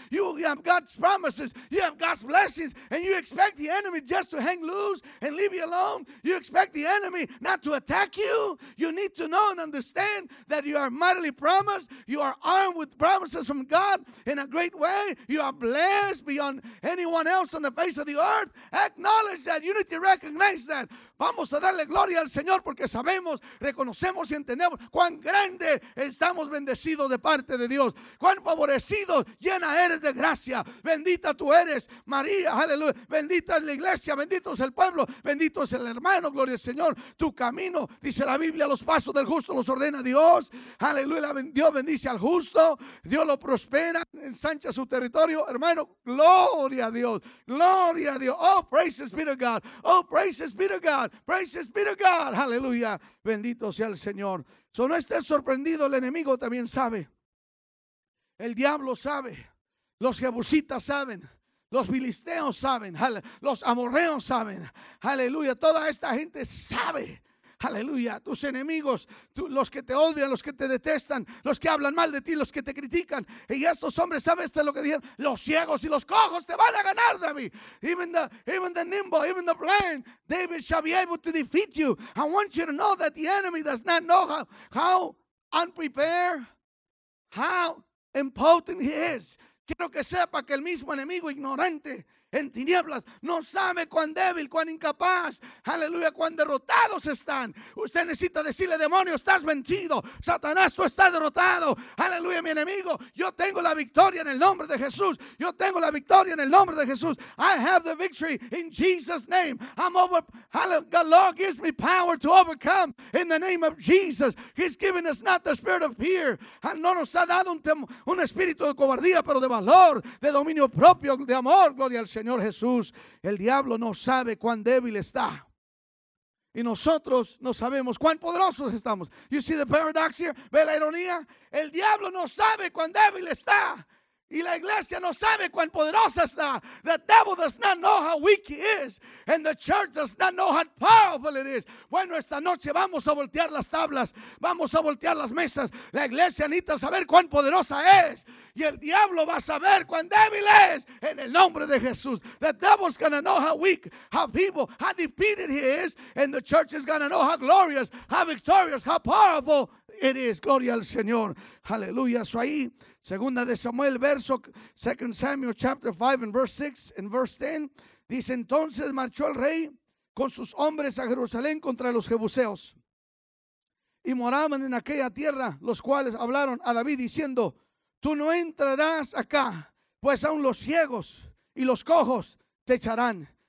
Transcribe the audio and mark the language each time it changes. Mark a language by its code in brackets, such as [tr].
[en] You have God's promises. You have God's blessings. And you expect the enemy just to hang loose and leave you alone? You expect the enemy not to attack you? You need to know and understand that you are mightily promised. You are armed with promises from God in a great way. You are blessed beyond anyone else on the face of the earth. Acknowledge that. You need to recognize that. [es] Vamos a darle gloria al Señor porque sabemos, reconocemos y entendemos cuán grande estamos bendecidos de parte de Dios. Cuán favorecidos, llena eres de gracia. Bendita tú eres, María, aleluya. Bendita es la iglesia, bendito es el pueblo, bendito es el hermano, gloria al Señor. Tu camino, dice la Biblia, los pasos del justo los ordena Dios. Aleluya, Dios bendice al justo. Dios lo prospera, ensancha su territorio. Hermano, gloria a Dios, gloria a Dios. [en] Oh, praises be to God, oh, praises be to God. Praises be to God. [es] Aleluya. Bendito sea el Señor. So no estés sorprendido. El enemigo también sabe. El diablo sabe. Los jebusitas saben. Los filisteos saben. Los amorreos saben. Aleluya. Toda esta gente sabe. Aleluya. Tus enemigos, los que te odian, los que te detestan, los que hablan mal de ti, los que te critican. Y estos hombres, ¿sabes lo que dijeron? Los ciegos y los cojos te van a ganar, David. [en] Even the nimble, even the blind, David shall be able to defeat you. I want you to know that the enemy does not know how unprepared, how impotent he is. [es] Quiero que sepa que el mismo enemigo ignorante en tinieblas no sabe cuán débil, cuán incapaz, aleluya, cuán derrotados están. Usted necesita decirle: demonio, estás vencido. Satanás, tú estás derrotado. Aleluya, mi enemigo, yo tengo la victoria en el nombre de Jesús. Yo tengo la victoria en el nombre de Jesús. [en] I have the victory in Jesus' name. I'm over. The Lord gives me power to overcome in the name of Jesus. He's given us not the spirit of fear. [es] No nos ha dado un espíritu de cobardía, pero de valor, de dominio propio, de amor. Gloria al Señor Jesús. El diablo no sabe cuán débil está, y nosotros no sabemos cuán poderosos estamos. [en] You see the paradox here? [es] ¿Ve la ironía? El diablo no sabe cuán débil está, y la iglesia no sabe cuán poderosa está. [en] The devil does not know how weak he is, and the church does not know how powerful it is. [es] Bueno, esta noche vamos a voltear las tablas, vamos a voltear las mesas. La iglesia necesita saber cuán poderosa es, y el diablo va a saber cuán débil es, en el nombre de Jesús. [en] The devil's gonna know how weak, how feeble, how defeated he is, and the church is gonna know how glorious, how victorious, how powerful it is. [es] Gloria al Señor. Aleluya. So ahí, Segunda de Samuel, verso, [en] 2 Samuel, chapter 5, and verse 6, and verse 10, [es] dice: entonces marchó el rey con sus hombres a Jerusalén contra los jebuseos, y moraban en aquella tierra, los cuales hablaron a David diciendo: tú no entrarás acá, pues aún los ciegos y los cojos te echarán.